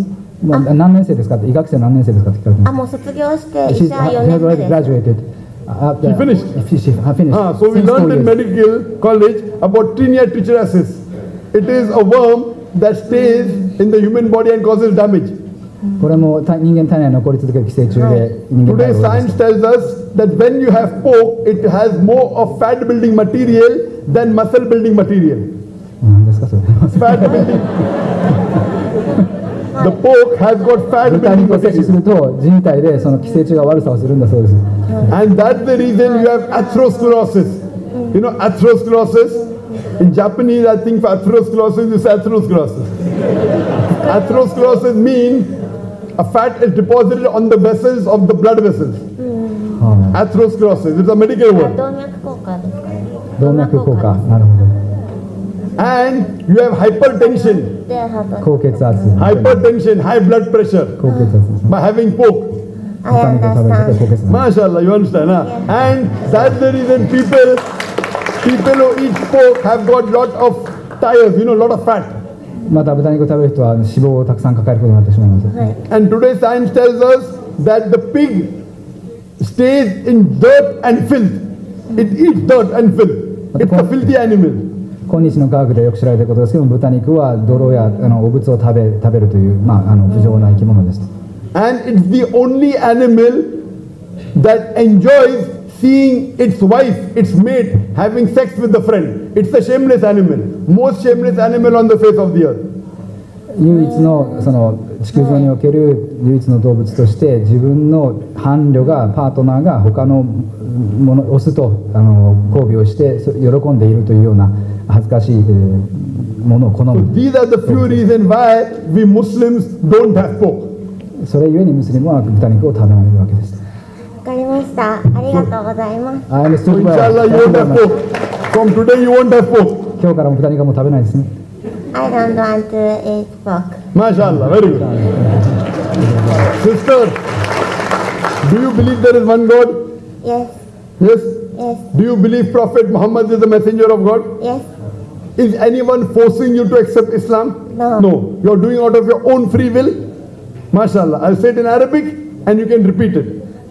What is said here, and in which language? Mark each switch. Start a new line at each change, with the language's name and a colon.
Japanese: もう何年生ですか？医学生何年生ですか？って聞かれてます。もう卒業して医者4年生です。
English: She's graduated. She finished. She finished. So we learned in medical college about tinea trichuriasis. It is a worm that stays in the human body and causes damage.
Japanese: これも人間体内に残り続ける寄生虫で人間体を。
English: Today science tells us that when you have pork, it has more of fat building material than muscle building material.
Japanese: なんですかそれ。
English: Fat building. The pork has got fat building material.
Japanese: 豚肉を摂取すると人体でその寄生虫が悪さをするんだそうです。
English: And that's the reason you have atherosclerosis. You know atherosclerosis? In Japanese, I think for atherosclerosis, you say atherosclerosis. Atherosclerosis means a fat is deposited on the vessels of the blood vessels. Atherosclerosis. It's a medical word.
Japanese: 動脈硬化。動脈硬化。なるほど。
English: And you have hypertension.
Japanese: 高血圧。
English: Hypertension, high blood pressure.
Japanese: 高血圧。
English: By having pork. I understand. MashaAllah, you understand, huh? Yes. And that's the reason people who eat pork have got lot of tires, you know, lot of fat.
Japanese: また豚肉を食べる人は脂肪をたくさん抱えることになってしまいます。
English: And today science tells us that the pig stays in dirt and filth. It eats dirt and filth. It's a filthy animal.
Japanese: 今日の科学でよく知られていることですけども、豚肉は泥や汚物を食べるという、不浄な生き物です。
English: And it's the only animal that enjoys seeing its wife, its mate, having sex with a friend. It's a shameless animal, most shameless animal on the face of the earth.
Japanese: 唯一のその地球上における唯一の動物として自分の伴侶がパートナーが他のものオスと交尾をして喜んでいるというような恥ずかしいものを好む。
English: So these are the few reasons why we Muslims don't have pork.
Japanese: それゆえにムスリムは豚肉を食べられるわけです。わかりました。ありがとうございます。
English: I understood well. Inshallah, you won't have pork. From today, you won't have pork.
Japanese: 今日からも豚肉も食べないですね。
English: I don't want to eat pork. MashaAllah, very good. Sister, do you believe there is one God? Yes. Yes? Yes. Do you believe Prophet Muhammad is the messenger of God? Yes. Is anyone forcing you to accept Islam? No. No. You're doing out of your own free will?MashaAllah, I'll say it in Arabic and you can repeat it.